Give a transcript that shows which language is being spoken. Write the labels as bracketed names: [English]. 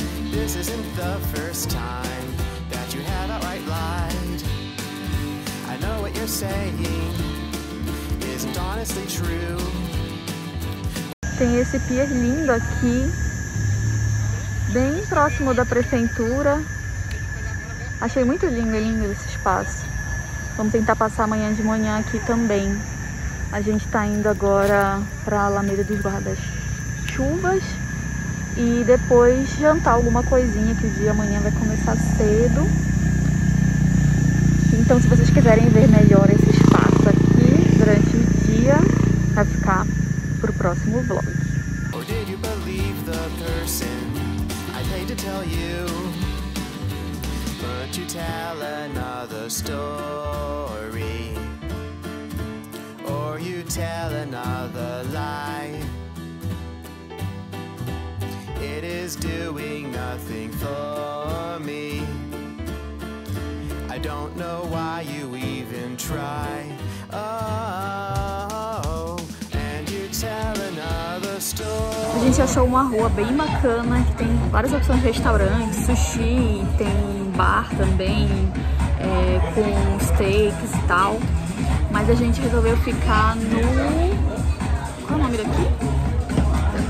[English] This isn't the first time that you had outright lied. I know what you're saying isn't honestly true. [Portuguese] Tem esse pier lindo aqui, bem próximo da prefeitura. Achei muito lindo, lindo esse espaço. Vamos tentar passar amanhã de manhã aqui também. A gente tá indo agora pra Alameda dos Guarda-Chuvas. E depois jantar alguma coisinha, que o dia amanhã vai começar cedo. Então, se vocês quiserem ver melhor esse espaço aqui durante o dia, vai ficar pro próximo vlog. [English] Oh, did you believe the person I paid to tell you? But you tell another story. Or you tell another lie. It is doing nothing for me. I don't know why you even try. Oh, and you tell another story. [Portuguese] A gente achou uma rua bem bacana, que tem várias opções de restaurante, sushi, tem bar também, com steaks e tal. Mas a gente resolveu ficar no... Qual é o nome daqui?